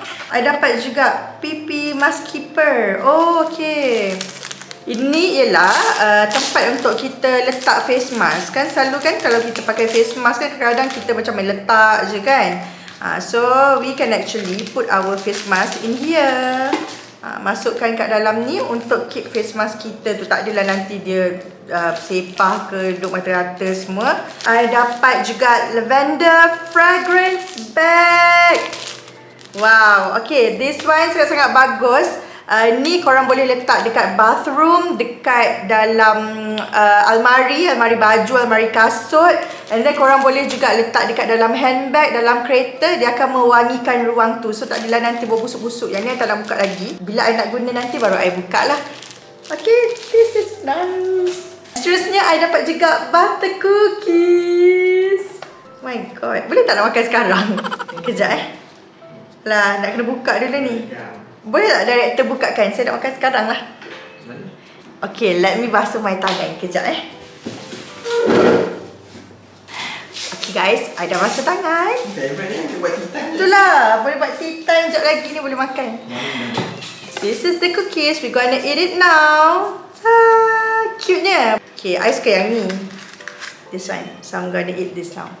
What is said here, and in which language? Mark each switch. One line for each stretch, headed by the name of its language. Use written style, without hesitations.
Malay: I dapat juga PP Mask Keeper.
English: Oh, okay.
Malay: Ini ialah tempat untuk kita letak face mask kan. Selalu kan kalau kita pakai face mask kan, kadang-kadang kita macam main letak je kan.
English: So we can actually put our face mask in here.
Malay: Masukkan kat dalam ni untuk keep face mask kita tu. Tak adalah nanti dia sepah ke duduk rata-rata semua. I dapat juga lavender fragrance bag.
English: Wow, okay, this one
Malay: sangat-sangat bagus. Ni korang boleh letak dekat bathroom, dekat dalam almari, almari baju, almari kasut.
English: And then
Malay: korang boleh juga letak dekat dalam handbag, dalam kereta. Dia akan mewangikan ruang tu. So tak adalah nanti berbusuk-busuk. Yang ni I tak nak buka lagi. Bila I nak guna nanti baru I buka lah.
English: Okay, this is nice.
Malay: Seterusnya I dapat juga
English: butter cookies. My god,
Malay: boleh tak nak makan sekarang? Kejap eh. Lah, nak kena buka dulu ni. Boleh tak director bukakan? Saya nak makan sekarang lah.
English: Okay, let me
Malay: basuh my tangan kejap eh.
English: Okay guys,
Malay: I dah basuh tangan. Itulah, boleh buat tea time sekejap lagi ni, boleh makan.
English: This is the cookies, we're gonna eat it now.
Malay: Ha, cutenya.
English: Okay,
Malay: I suka yang ni.
English: This one, so I'm gonna eat this now.